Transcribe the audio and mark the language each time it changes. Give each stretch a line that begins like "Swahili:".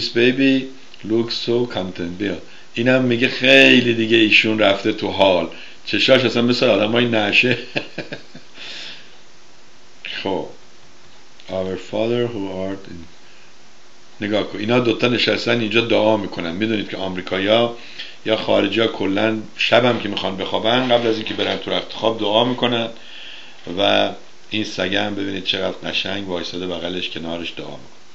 English: This baby looks so content.
Persian: بیا اینم میگه خیلی دیگه ایشون رفته تو حال، چشاش اصلا مثل آدم های نشه.
English: خب Our father who art in...
Persian: نگاه کن اینا دوتا نشستن اینجا دعا میکنن. میدونید که امریکایی ها یا خارجی ها کلن شب هم که میخوان بخوابن قبل از اینکه برن تو رخت خواب دعا میکنن. و این سگه هم ببینید چقدر قشنگ وایساده بغلش کنارش دعا میکنه.